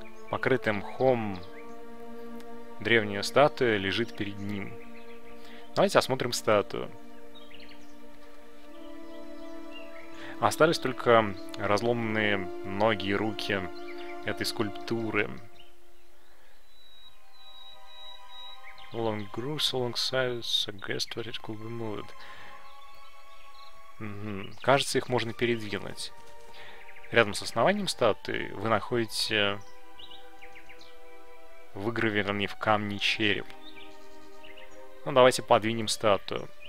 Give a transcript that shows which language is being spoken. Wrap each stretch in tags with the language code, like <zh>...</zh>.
<ru>покрыто мхом, древняя статуя лежит перед ним. Давайте осмотрим статую. Остались только разломанные ноги и руки этой скульптуры.</ru> <en>Long grooves along sides suggest where it could be moved.</en> <ru>Кажется, их можно передвинуть. Рядом с основанием статуи вы находите выгравированный в камне череп. Ну, давайте подвинем статую.</ru>